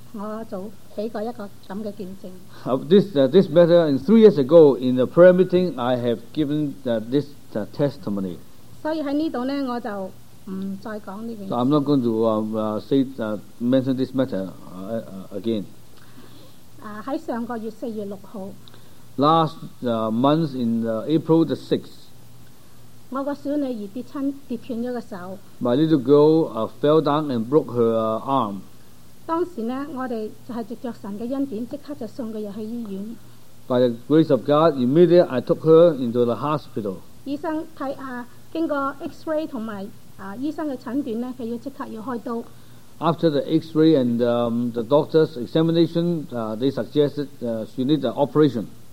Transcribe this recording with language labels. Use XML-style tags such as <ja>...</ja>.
<zh>大約三年前,我們在祈禱會,我做起過一個這樣的見證。</zh> <en>This matter, in 3 years ago, in the prayer meeting, I have given this testimony.</en> <zh>所以在這裡,我就不再講這件事。</zh> <en>So I'm not going to mention this matter again.</en> <zh>在上個月4月6號。</zh> <en>Last month, in April the 6th.</en> <zh>我的小女兒跌斷了手。</zh> <en>My little girl fell down and broke her arm.</en> <zh>當時呢,我們就是藉著神的恩典,立刻就送她去醫院。</zh> <en>By the grace of God, immediately I took her into the hospital.</en> <zh>醫生經過X-ray和醫生的診斷,她要立刻要開刀。</zh> <en>After the X-ray and the doctor's examination, they suggested she needs an operation.</en>